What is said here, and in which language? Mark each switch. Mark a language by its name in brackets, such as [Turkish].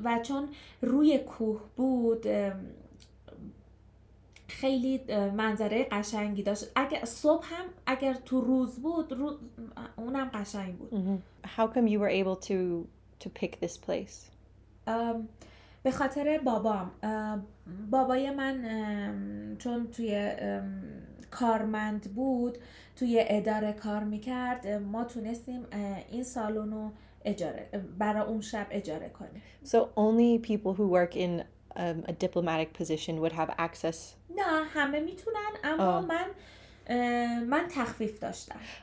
[Persian] و چون روی کوه بود خیلی منظره قشنگی داشت. اگر صبح هم اگر تو روز بود اونم قشنگ بود. [English] How come you were able to pick this place? [Persian] به خاطر بابام. بابای من چون توی کارمند بود، توی اداره کار میکرد، ما تونستیم این سالونو اجاره برای اون شب اجاره کنیم. [English] So only people who work in a diplomatic position would have access. [Persian] نه همه میتونن، اما من تخفیف داشتم.